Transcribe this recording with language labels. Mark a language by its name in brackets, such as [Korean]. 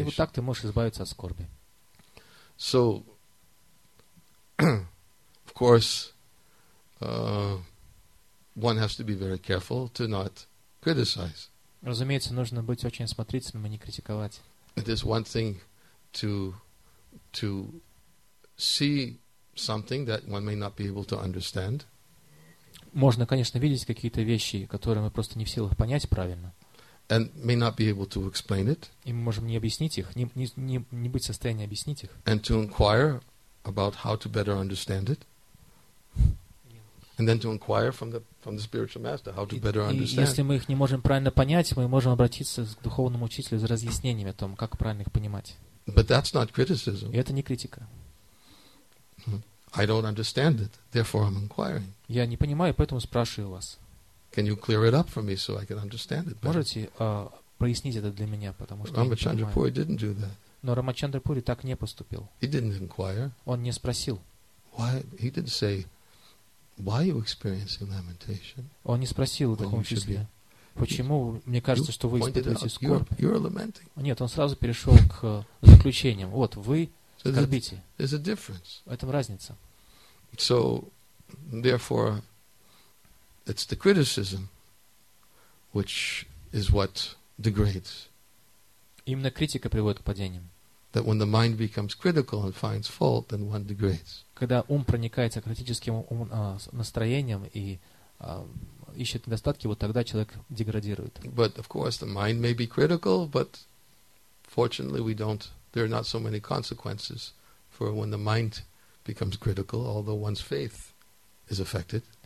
[Russian] И вот так ты можешь избавиться от скорби. [English] So, of course, one has to be very careful to not criticize. [Russian] Разумеется, нужно быть очень осмотрительным и не критиковать. [English] It is one thing to see something that one may not be able to understand. [Russian] Можно, конечно, видеть какие-то вещи, которые мы просто не в силах понять правильно. [English] And may not be able to explain it. [Russian] И мы можем не объяснить их, не быть в состоянии объяснить их. [English] And to inquire about how to better understand it. And then to inquire from the spiritual master how to better understand. [Russian] И если мы их не можем правильно понять, мы можем обратиться к духовному учителю за разъяснениями о том, как правильно их понимать. [English] But that's not criticism. [Russian] И это не критика. [English] I don't understand it, therefore I'm inquiring. [Russian] Я не понимаю, поэтому спрашиваю вас. [English] Can you clear it up for me so I can understand it? [Russian] Можете прояснить это для меня, потому что я не понимаю. [English] Рамачандра Пури didn't do that. [Russian] Но Рамачандра Пури так не поступил. [English] He didn't inquire. [Russian] Он не спросил. [English] Why? He didn't say, why are you experiencing lamentation? [Russian] Он не спросил в таком числе. Почему мне кажется, что вы испытываете скорбь? [English] You're lamenting. [Russian] Нет, он сразу перешел к заключениям. Вот вы. [English] There's a difference. [Russian] В этом разница. [English] So, therefore, it's the criticism which is what degrades. [Russian] Именно критика приводит к падениям. [English] That when the mind becomes critical and finds fault, then one degrades. [Russian] Когда ум проникается критическим настроением и ищет недостатки, вот тогда человек деградирует. [English] But of course, the mind may be critical, but fortunately, we don't. There are not so many consequences for when the mind becomes critical, although one's faith is affected.